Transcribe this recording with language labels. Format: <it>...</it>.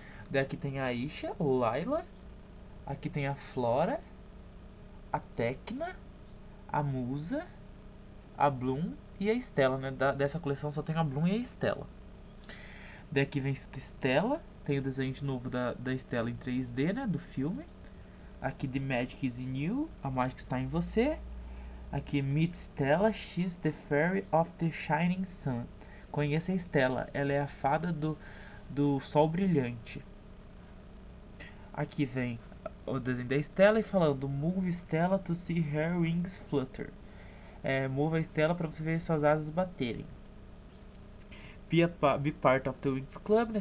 <pt>Daí aqui tem a Aisha, o Layla. Aqui tem a Flora, a Tecna, a Musa, a Bloom e a Stella, né? Dessa coleção só tem a Bloom e a Stella. Daí aqui vem escrito Stella. Tem o desenho de novo da Stella em 3D, né? Do filme. Aqui,</pt> <en>The Magic is in You,</en> <pt>a mágica está em você.</pt> <en>Aqui, Meet Stella, She's the Fairy of the Shining Sun.</en> <pt>Conheça a Stella, ela é a fada do sol brilhante. Aqui vem o desenho da Stella e falando:</pt> <en>Move Stella to see her wings flutter.</en> <pt>É, mova a Stella para você ver suas asas baterem.</pt> <en>Be part of the Wings Club,</en> <pt>né?</pt>